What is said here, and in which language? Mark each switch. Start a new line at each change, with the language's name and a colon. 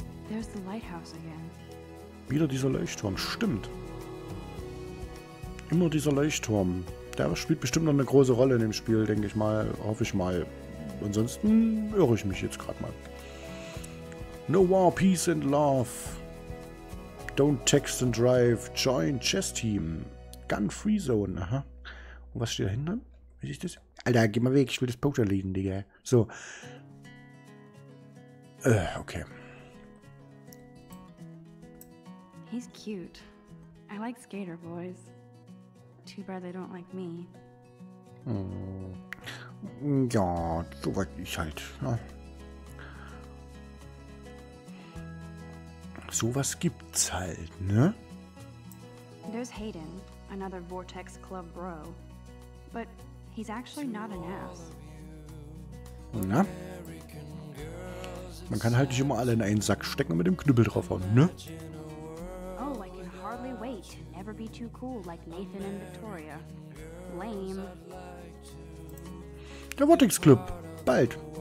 English: There's the lighthouse again.
German: Wieder dieser Leuchtturm, stimmt. Immer dieser Leuchtturm. Der spielt bestimmt noch eine große Rolle in dem Spiel, denke ich mal, hoffe ich mal. Ansonsten irre ich mich jetzt gerade mal.
English: No war, peace and love. Don't text and drive. Join Chess Team. Gun Free Zone,
German: aha. Und was steht dahinter? Wie ist das? Alter, geh mal weg, ich will das Poster lesen, Digga. So. Okay.
English: He's cute. I like skater boys. Too bad they don't like me.
German: Ja, so weit ich halt. Ne? Sowas gibt's halt, ne?
English: There's Hayden, another Vortex Club bro. But he's actually not an ass.
German: Na? Man kann halt nicht immer alle in einen Sack stecken und mit dem Knüppel draufhauen, ne?
English: Oh, I can hardly wait. Never be too cool like Nathan and Victoria. Lame.
German: Der Vortex Club. Bald.